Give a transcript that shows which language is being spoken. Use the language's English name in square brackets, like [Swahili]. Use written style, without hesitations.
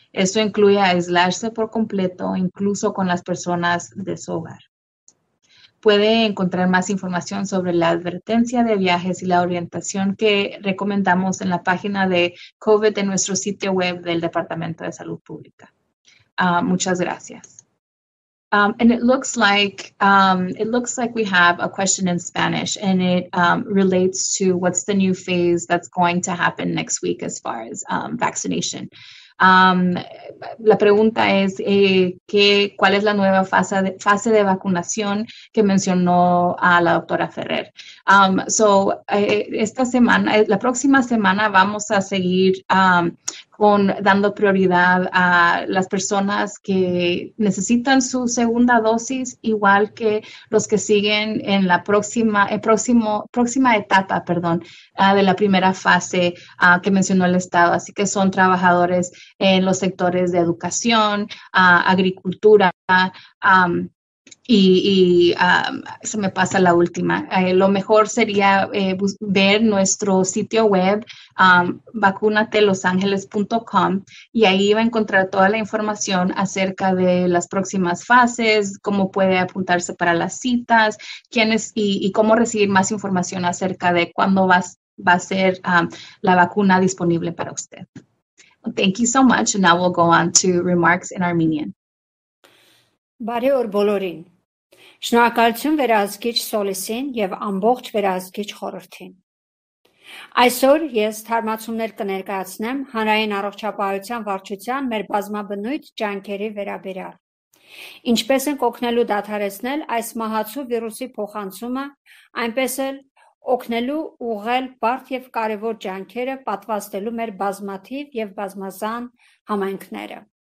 [Spanish] Esto incluye aislarse por completo, incluso con las personas de su hogar. Puede encontrar más información sobre la advertencia de viajes y la orientación que recomendamos en la página de COVID de nuestro sitio web del Departamento de Salud Pública. Muchas gracias. [English] And it looks like we have a question in Spanish, and it relates to what's the new phase that's going to happen next week as far as vaccination. [Spanish] La pregunta es cuál es la nueva fase de vacunación que mencionó a la doctora Ferrer. La próxima semana vamos a seguir dando prioridad a las personas que necesitan su segunda dosis, igual que los que siguen en la próxima etapa, de la primera fase que mencionó el Estado. Así que son trabajadores en los sectores de educación, agricultura, se me pasa la última. Lo mejor sería ver nuestro sitio web, vacunatelosangeles.com, y ahí va a encontrar toda la información acerca de las próximas fases, cómo puede apuntarse para las citas, quiénes y cómo recibir más información acerca de cuándo va a ser la vacuna disponible para usted. [English] Thank you so much, and now we'll go on to remarks in Armenian. [Armenian] Բարեօր բոլորին. Շնորհակալություն վերահսկիչ Սոլիսին եւ ամբողջ վերահսկիչ խորհրդին. Այսօր ես թարմացումներ կներկայացնեմ հանրային առողջապահության վարչության մեր բազմաբնույթ ջանքերի վերաբերյալ։ Ինչպես են օգնելու դադարեցնել այս մահացու վիրուսի փոխանցումը, այնպես էլ օգնելու ուղղել բարդ եւ կարեւոր ջանքերը պատվաստելու մեր բազմաթիվ եւ բազմազան համայնքները։